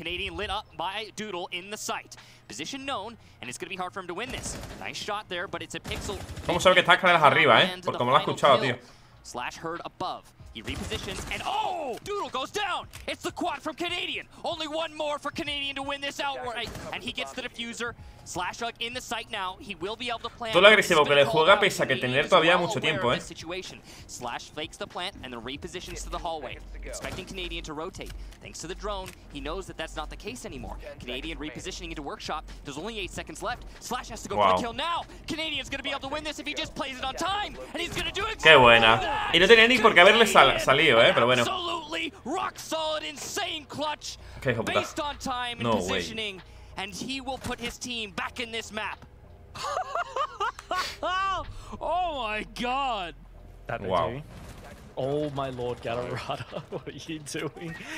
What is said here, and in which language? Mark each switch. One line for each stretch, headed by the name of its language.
English: Canadian lit up by Doodle in the sight. Position known, and it's gonna be hard for him to win this. Nice shot there, but it's a pixel.
Spanish: ¿Cómo sabe que está escaleras arriba, Por como lo ha escuchado, tío.
English: Slash heard above. He repositions and oh, Doodle goes down. It's the quad from Canadian. Only one more for Canadian to win this outright, and he gets the diffuser. Slash hug in the sight now. He will be able to plant.
Spanish: Todo lo agresivo que le juega pese a que tener todavía mucho tiempo,
English: Slash flakes the plant and then repositions to the hallway, expecting Canadian to rotate. Thanks to the drone, he knows that that's not the case anymore. Canadian repositioning into workshop. There's only 8 seconds left. Slash has to go for the kill now. Canadian's gonna be able to win this if he just plays it on time, and he's gonna do it.
Spanish: Qué buena. Y no tenía ni por qué haberle salido, pero bueno.
English: Absolutely rock solid, insane clutch.
Spanish: Qué hijo puta.
English: Based on time and positioning, and he will put his team back in this map. Oh my god. That wow. Oh my lord, Gatorada, what are you doing?